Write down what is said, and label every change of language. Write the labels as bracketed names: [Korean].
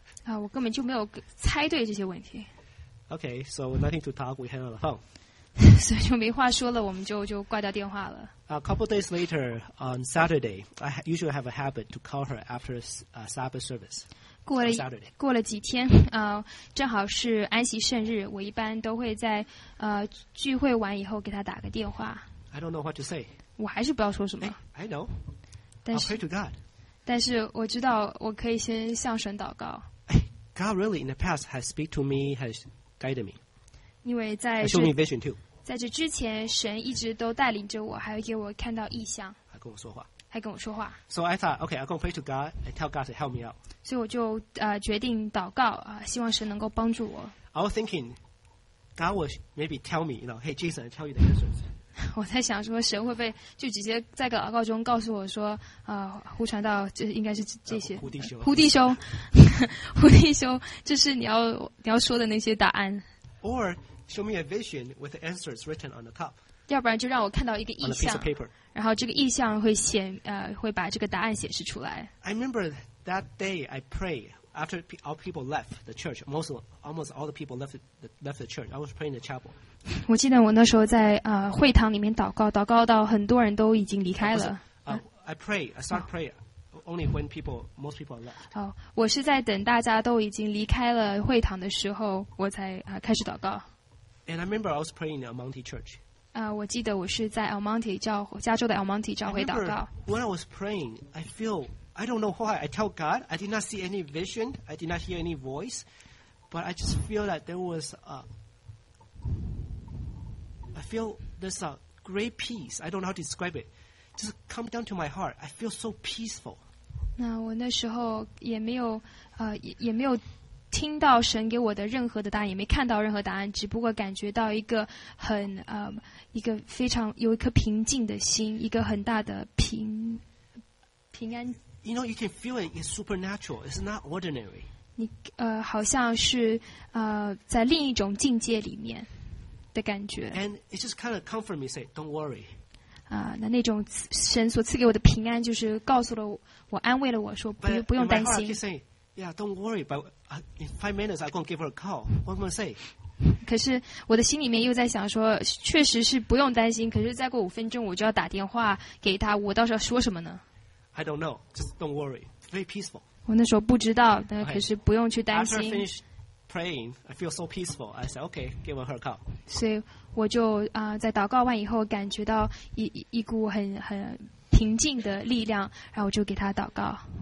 [Chinese] 我根本就没有猜对这些问题。 [English] Okay, so nothing to talk. We hang up the phone. [Chinese] 所以就没话说了，我们就挂掉电话了。 [English] A couple days later on Saturday, I usually have a habit to call her after Sabbath service. [Chinese] 过了几天，正好是安息圣日，我一般都会在聚会完以后给她打个电话。 [English] I don't know what to say. [Chinese] 我还是不要说什么。 [English] Hey, I know. I'll pray to God. [Chinese] 但是我知道我可以先向神祷告。 [English] God really in the past has speak to me, has guided me. [Chinese] 因为在 [English] show me vision too. [Chinese] 在这之前，神一直都带领着我，还会给我看到异象，还跟我说话。还跟我说话。 [English] So I thought, okay, I'm going to pray to God and tell God to help me out. [Chinese] 所以我就决定祷告希望神能够帮助我。 [English] I was thinking, God will maybe tell me, you know, hey, Jason, I'll tell you the answers. [Chinese] 我在想说神会不会就直接在祷告中告诉我说胡传道这应该是这些。胡弟兄。胡弟兄。胡弟兄这是你要说的那些答案。 [English] Or show me a vision with the answers written on the top. [Chinese] 要不然就让我看到一个意象，然后这个意象会显会把这个答案显示出来。 [English] I remember that day I pray after all people left the church. Almost all the people left the church. I was praying in the chapel. [Chinese] 我记得我那时候在会堂里面祷告，祷告到很多人都已经离开了。 [English] I start praying only when most people left. [Chinese] 我是在等大家都已经离开了会堂的时候，我才开始祷告。 [English] And I remember I was praying in a Monte church. [Chinese] 我记得我是在 El Monte 教加州的 El Monte 教会祷告。 [English] When I was praying, I feel I don't know why. I tell God I did not see any vision, I did not hear any voice, but I just feel that there was I feel there's a great peace. I don't know how to describe it. Just come down to my heart. I feel so peaceful. [Chinese] 那我那时候也没有也没有听到神给我的任何的答案，也没看到任何答案，只不过感觉到一个很一个非常有一颗平静的心，一个很大的平安。 [English] You know, you can feel it. It's supernatural. It's not ordinary. [Chinese] 你好像是在另一种境界里面的感觉。 [English] And it just kind of comfort me, say, "Don't worry." [Chinese] 那种神所赐给我的平安，就是告诉了我，安慰了我说不用担心。 [English] Yeah, don't worry. But in 5 minutes, I'm going to give her a call. What am I say? [Chinese] 可是我的心里面又在想说，确实是不用担心。可是再过5分钟，我就要打电话给他。我到时候说什么呢 [English] ？I don't know. Just don't worry. Very peaceful. [Chinese] 我那时候不知道，但可是不用去担心。 [English] After I finish praying, I feel so peaceful. I said, "Okay, give her a call." [Chinese] 所以我就在祷告完以后，感觉到一股很平静的力量，然后我就给他祷告。